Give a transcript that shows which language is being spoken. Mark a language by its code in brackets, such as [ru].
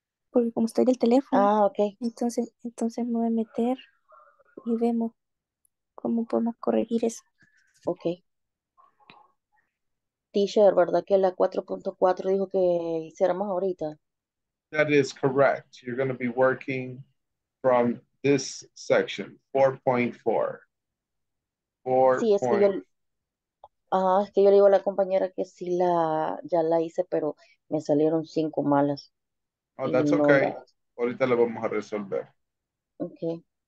[es] Porque como estoy del teléfono, ah, okay. Entonces me voy a meter y vemos cómo podemos corregir eso. Ok. Teacher, ¿verdad que la 4.4 dijo que hiciéramos ahorita? [en] That is correct. You're going to be working from this section, 4.4. 4. [es] Sí, es que yo... Ah, es que yo le digo a la compañera que sí la ya la hice, pero me salieron 5 malas. [en] Oh, that's okay. [es] Ahorita la vamos a resolver. Okay.